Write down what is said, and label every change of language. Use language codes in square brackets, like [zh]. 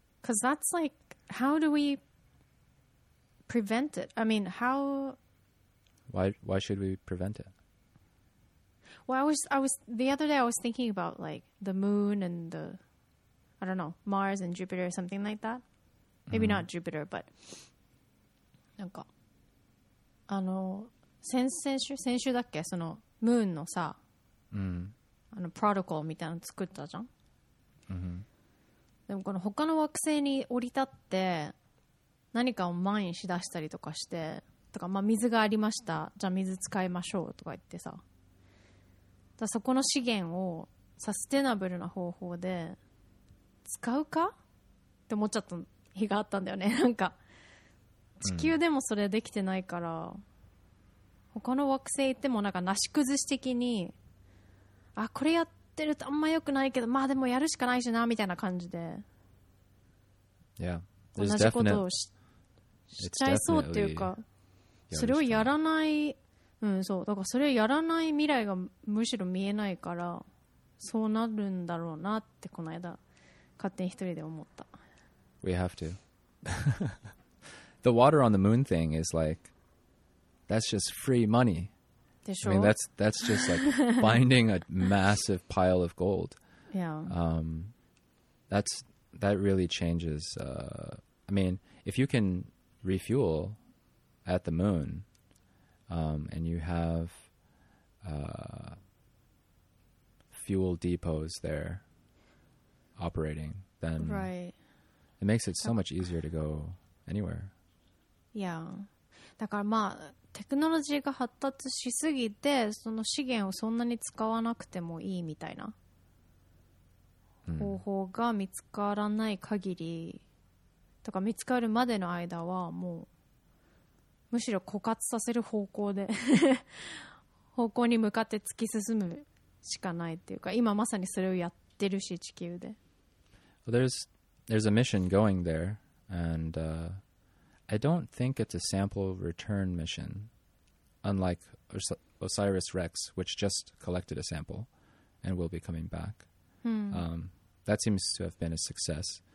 [en] Because that's like, how do we prevent it? I mean, how... Why should we prevent it? Well, I was the other day I was thinking about like the moon and the, I don't know, Mars and Jupiter or something like that. Maybe not Jupiter, but... [ja] なんか、あの、先週だっけ? その、ムーンのさ、あの、プロトコルみたいなの作ったじゃん。でもこの他の惑星に降り立って何かをマインしだしたりとかしてとか、まあ水がありました、じゃあ水使いましょうとか言ってさ、だそこの資源をサステナブルな方法で使うかって思っちゃった日があったんだよね。なんか地球でもそれできてないから、他の惑星行ってもなんかなし崩し的に、あ、これやってるとあんま良くないけど、まあでもやるしかないしなみたいな感じで。 [en] Yeah, [ja] 同じことを しちゃいそうっていうか、それをやらない、うん、そう、だからそれをやらない未来がむしろ見えないから、そうなるんだろうなってこの間勝手に一人で思った。 [en] We have to. The water on the moon thing is like. That's just free money. [ja] でしょ? [en] I mean, that's just like finding a massive pile of gold. Yeah. That really changes. I mean, if you can refuel at the moon, and you have fuel depots there operating, then right. it makes it so much easier to go anywhere. Yeah. [ja] だからまあテクノロジーが発達しすぎてその資源をそんなに使わなくてもいいみたいな方法が見つからない限りとか見つかるまでの間はもうむしろ枯渇させる方向で方向に向かって突き進むしかないっていうか今まさにそれをやってるし地球で [en] well, there's a mission going there andI don't think it's a sample return mission, unlike OSIRIS-REx, which just collected a sample and will be coming back. Hmm. That seems to have been a success.